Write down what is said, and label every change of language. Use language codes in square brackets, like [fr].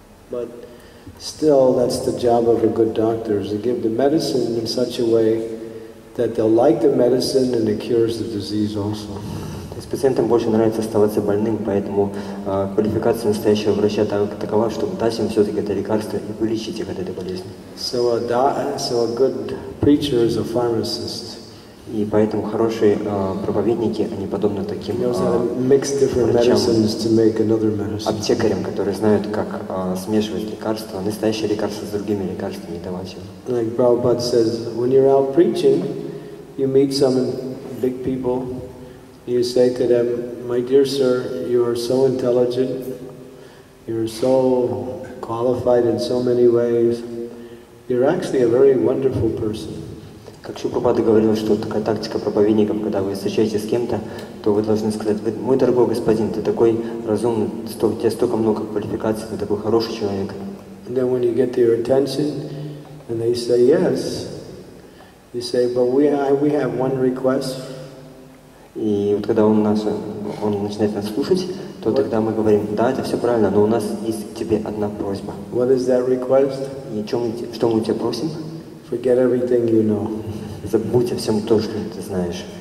[en] But still, that's the job of a good doctor, is to give the medicine in such a way that they'll like the medicine and it cures the disease also. [ru] Пациентам больше нравится оставаться больным, поэтому квалификация настоящего врача такова, чтобы дать им все-таки это лекарство и вылечить их от этой болезни. [en] So a good preacher is a pharmacist. [ru] И поэтому хорошие проповедники, они подобны таким врачам, аптекарям, которые знают, как смешивать лекарства, настоящие лекарства с другими лекарствами и давать им. [en] Like Prabhupada says, when you're out preaching, you meet some big people. You say to them, my dear sir, you are so intelligent, you are so qualified in so many ways, you're actually a very wonderful person. [ru] Как Шри Прабхупада говорил, что такая тактика проповедников, когда вы встречаетесь с кем-то, то вы должны сказать, мой дорогой господин, ты такой разумный, у тебя столько много квалификаций, ты такой хороший человек. [en] And then when you get their attention, and they say yes, you say, but we have one request. [ru] И вот когда он начинает нас слушать, то тогда мы говорим, да, это все правильно, но у нас есть к тебе одна просьба. [en] What is that request? [ru] И что мы тебя просим? [en] Forget everything you know. [ru] Забудь о всем то, что ты знаешь.